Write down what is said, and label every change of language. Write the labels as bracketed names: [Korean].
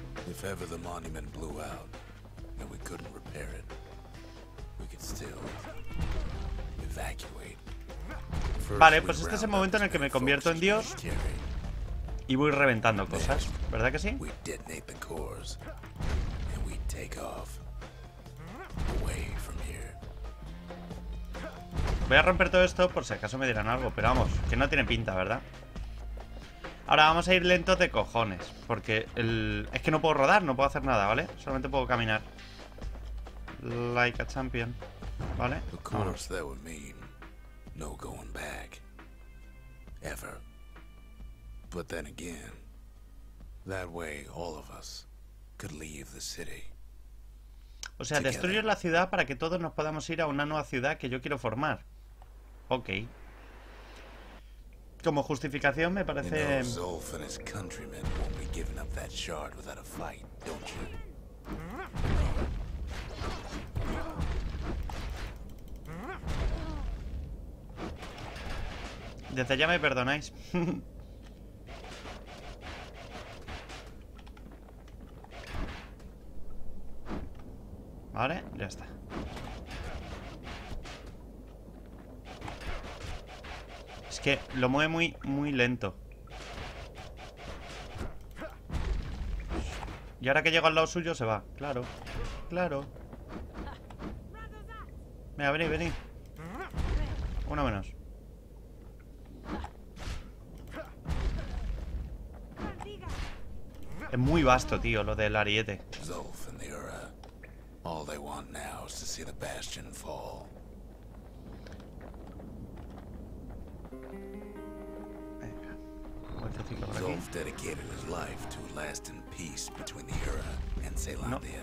[English] If ever the monument blew out and we couldn't repair it, we could still evacuate. [Spanish] Vale, pues este es el momento en el que me convierto en Dios. Y voy reventando cosas, ¿verdad que sí? [English] We detonate the cores and we take off away from here. [Spanish] Voy a romper todo esto por si acaso me dieran algo, pero vamos, que no tiene pinta, ¿verdad? Ahora vamos a ir lentos de cojones, porque el... Es que no puedo rodar, no puedo hacer nada, ¿vale? Solamente puedo caminar. [English] Like a champion, ¿vale? Of course that would mean no going back. Ever. But then again, that way all of us could leave the city. [Spanish] O sea, destruyo la ciudad para que todos nos podamos ir a una nueva ciudad que yo quiero formar. Ok. Como justificación me parece... [English] Zulf and his countrymen won't be giving up that shard without a fight, don't you? [Spanish] Desde ya me perdonáis. Vale, ya está. que lo mueve muy, muy lento. Y ahora que llego al lado suyo se va. Claro, claro. Mira, vení, vení. Uno menos. Es muy vasto, tío, lo del ariete. Zulf y la Ura. [English] All they want now is to see the Bastion fall. Zulf dedicated his life to lasting peace between the Ura and Zelandia.